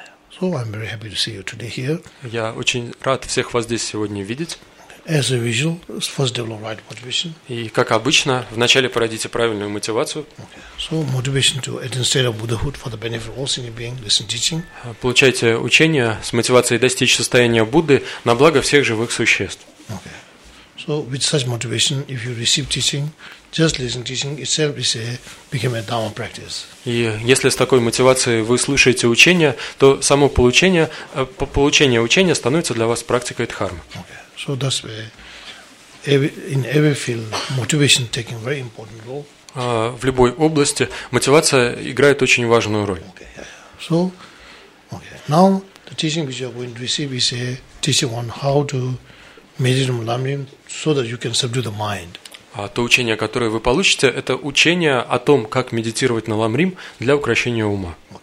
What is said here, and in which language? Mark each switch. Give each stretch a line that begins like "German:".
English: So I'm very happy to see you today here.
Russian: Я очень рад всех вас здесь сегодня видеть.
English: As usual, first develop right motivation.
Russian: И как обычно, вначале породите правильную мотивацию.
English: So motivation to attain state of Buddhahood for the benefit of all sentient beings, listen teaching.
Russian: Получайте учение с мотивацией достичь состояния Будды на благо всех живых существ.
English: So with such motivation, if you receive teaching, just listen teaching itself is a become a dharma practice.
Russian: И если с такой мотивацией вы слушаете учение, то само получение учения становится для вас практикой дхармы.
English: Okay. So that's where in every field motivation taking very important role.
Russian: В любой области мотивация играет очень важную роль.
English: So, now the teaching which you are going to receive is a teaching on how to meditate lamrim so that you can subdue the mind.
Russian: А то учение, которое вы получите, это учение о том, как медитировать на ламрим для укрощения ума.